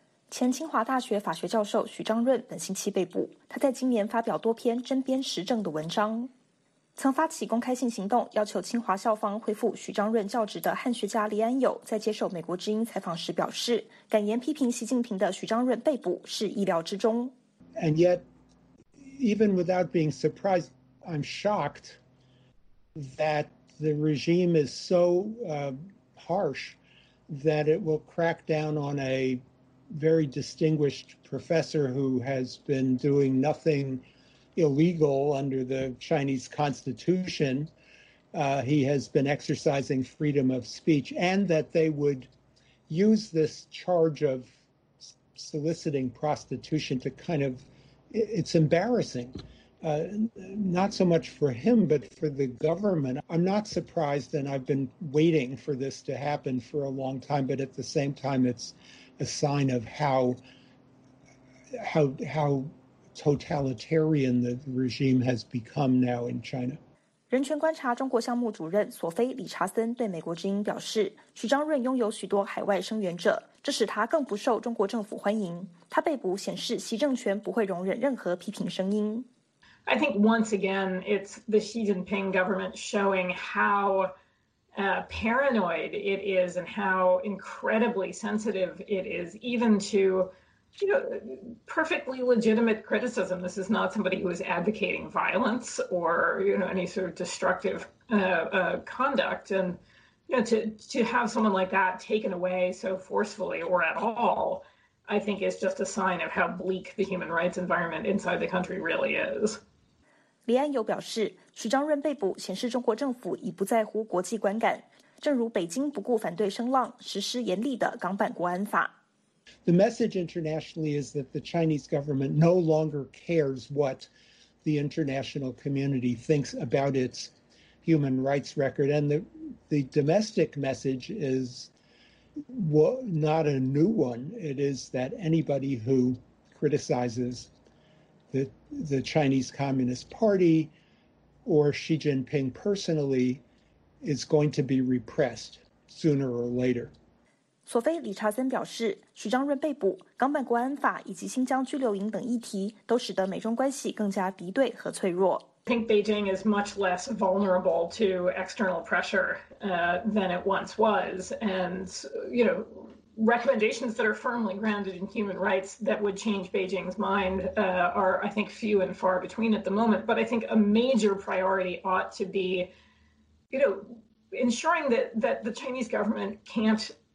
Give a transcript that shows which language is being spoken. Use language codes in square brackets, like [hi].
[zh] 前清华大学法学教授许章润本星期被捕，他在今年发表多篇针砭时政的文章。曾发起公开性行动，要求清华校方恢复许章润教职的汉学家黎安友在接受美国之音采访时表示，敢言批评习近平的许章润被捕是意料之中。 [en] And yetEven without being surprised, I'm shocked that the regime is so harsh that it will crack down on a very distinguished professor who has been doing nothing illegal under the Chinese constitution. He has been exercising freedom of speech, and that they would use this charge of soliciting prostitution to kind of, it's embarrassing. Not so much for him, but for the government. I'm not surprised, and I've been waiting for this to happen for a long time, but at the same time, it's a sign of how totalitarian the regime has become now in China. [zh] 人权观察中国项目主任索菲·理查森对美国之音表示，许章润拥有许多海外声援者，这使他更不受中国政府欢迎。他被捕显示习政权不会容忍任何批评声音。 [en] I think once again, it's the Xi Jinping government showing how paranoid it is and how incredibly sensitive it is, even to, you know, perfectly legitimate criticism. This is not somebody who is advocating violence or, you know, any sort of destructive conduct. And, you know, to have someone like that taken away so forcefully or at all, I think is just a sign of how bleak the human rights environment inside the country really is. [zh] 李安友表示，许章润被捕显示中国政府已不在乎国际观感，正如北京不顾反对声浪，实施严厉的港版国安法。 [en] The message internationally is that the Chinese government no longer cares what the international community thinks about its human rights record. And the domestic message is not a new one. It is that anybody who criticizes the Chinese Communist Party or Xi Jinping personally is going to be repressed sooner or later. [zh] 索菲·理查森表示，许章润被捕、港版国安法以及新疆拘留营等议题都使得美中关系更加敌对和脆弱。 [en] I think Beijing is much less vulnerable to external pressure than it once was. And, you know, recommendations that are firmly grounded in human rights that would change Beijing's mind are, I think, few and far between at the moment. But I think a major priority ought to be, you know, ensuring that the Chinese government can't.